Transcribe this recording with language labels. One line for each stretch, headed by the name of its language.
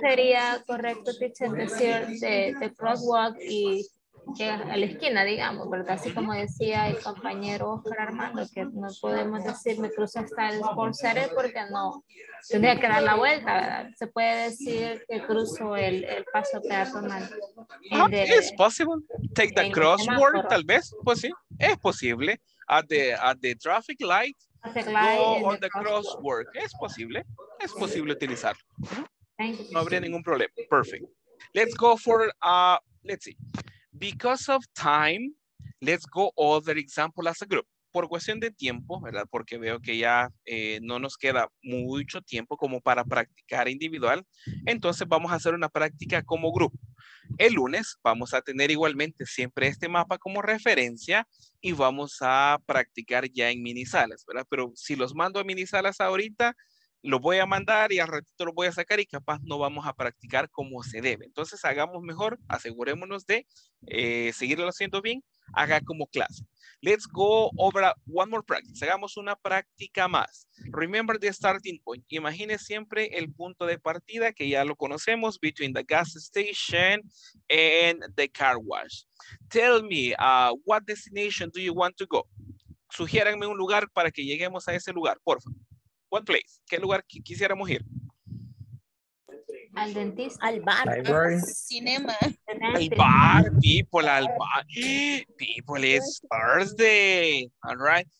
Spanish: Sí, sería correcto, teacher, decir de crosswalk y llegar a la esquina, digamos, ¿verdad? Así como decía el compañero Oscar Armando, que no podemos decir me cruzo hasta el Sports Center porque no tendría que dar la vuelta, ¿verdad? Se puede decir que cruzo el paso peatonal. Es posible.
English: Take the crosswalk,
Spanish: tal vez. Pues sí, es posible.
English: At the traffic light, go on the crosswalk.
Spanish: Es posible utilizarlo. No habría ningún problema. Perfect.
English: Let's go for, let's see. Because of time, let's go other example as a group.
Spanish: Por cuestión de tiempo, ¿verdad? Porque veo que ya no nos queda mucho tiempo como para practicar individual. Entonces vamos a hacer una práctica como grupo. El lunes vamos a tener igualmente siempre este mapa como referencia y vamos a practicar ya en mini salas, ¿verdad? Pero si los mando a mini salas ahorita, lo voy a mandar y al ratito lo voy a sacar y capaz no vamos a practicar como se debe. Entonces hagamos mejor, asegurémonos de seguirlo haciendo bien, haga como clase.
English: Let's go over one more practice.
Spanish: Hagamos una práctica más.
English: Remember the starting point. Imagine
Spanish: siempre el punto de partida que ya lo conocemos,
English: between the gas station and the car wash. Tell me, what destination do you want to go?
Spanish: Sugiéranme un lugar para que lleguemos a ese lugar, por favor.
English: What place?
Spanish: ¿Qué lugar quisiéramos ir? Al dentista, al bar,
English: library. Cinema.
Spanish: Al bar,
English: people,
Spanish: al bar.
English: People, it's Thursday. All right.